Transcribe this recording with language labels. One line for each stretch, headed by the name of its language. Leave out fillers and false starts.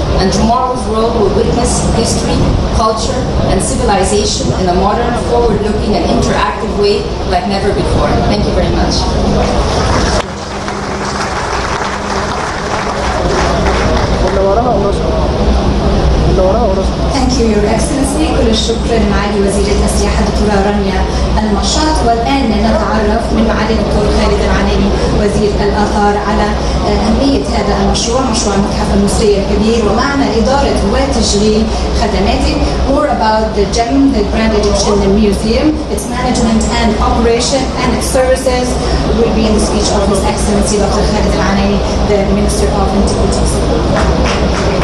English: And tomorrow's world will witness history, culture, and civilization in a modern, forward-looking, and interactive way like never before. Thank you very much. Thank you, Your Excellency.
Arabic: كل الشكر لمعالي وزيرة السياحة الدكتورة رانيا المشاط. والآن نتعرف من معالي الدكتور خالد العنايمي وزير الآثار على أهمية هذا المشروع، مشروع المتحف المصري الكبير ومعنى إدارة وتشغيل خدماته.
English: More about the GEM, the Grand Egyptian Museum, its management and operation and its services will be in the speech of His Excellency Dr. خالد العنايمي, the Minister of Antiquities.